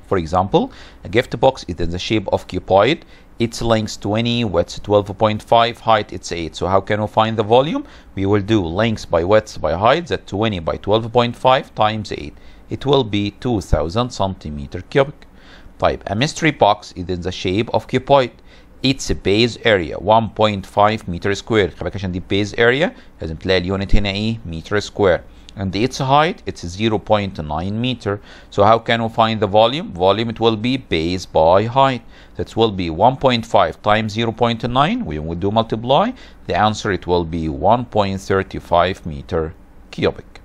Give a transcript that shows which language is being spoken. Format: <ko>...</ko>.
<en>For example, a gift box is in the shape of cuboid. Its length 20, width 12.5, height it's 8. So how can we find the volume? We will do length by width by height, that 20 by 12.5 times 8. It will be 2000 centimeter cubic. Type a mystery box is in the shape of cuboid. Its base area 1.5 meter square.</en> <ar>خبك عشان دي base area لازم تلاقي اليونت هنا ايه؟ meter square.</ar> <en>And its height, it's 0.9 meter. So how can we find the volume? Volume, it will be base by height. That will be 1.5 times 0.9. We do multiply. The answer, it will be 1.35 meter cubic.</en>